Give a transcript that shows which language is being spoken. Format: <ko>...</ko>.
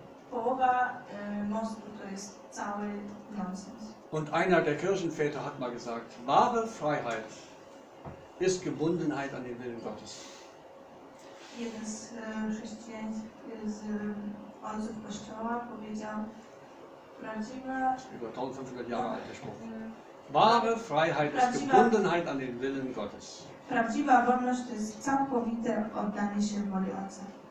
<pl>Połowa mostu to jest cały nonsens.</pl> <de>Und einer der Kirchenväter hat mal gesagt, wahre Freiheit ist Gebundenheit an den Willen Gottes.</de> <pl>Jeden z chrześcijan, z ojców Kościoła powiedział, prawdziwa...</pl> <de>Über 1500 Jahre alt der Spruch. Wahre Freiheit ist Gebundenheit an den Willen Gottes.</de> <pl>Prawdziwa wolność to jest całkowite oddanie się woli Ojca.</pl>